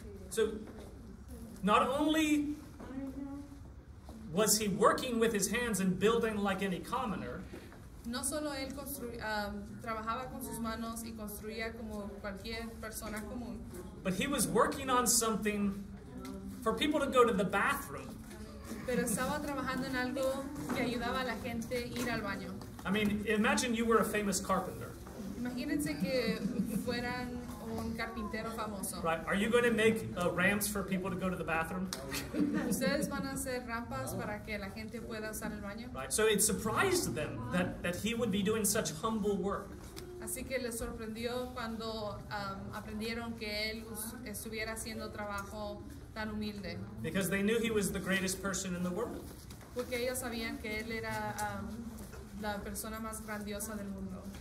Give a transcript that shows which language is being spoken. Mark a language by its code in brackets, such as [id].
[en] So, not only was he working with his hands and building like any commoner, [es] no solo él trabajaba con sus manos y construía como cualquier persona común, [en] but he was working on something for people to go to the bathroom. [es] Pero estaba trabajando en algo que ayudaba a la gente ir al baño. [en] I mean, imagine you were a famous carpenter. [es] Imagínense que fueran un carpintero famoso. [en] Right, are you going to make ramps for people to go to the bathroom? [es] ¿Ustedes van a hacer rampas para que la gente pueda usar el baño? [en] Right, so it surprised them that he would be doing such humble work. [es] Así que les sorprendió cuando aprendieron que él estuviera haciendo trabajo tan humilde. [en] Because they knew he was the greatest person in the world. [es] Porque ellos sabían que él era la persona más grandiosa del mundo.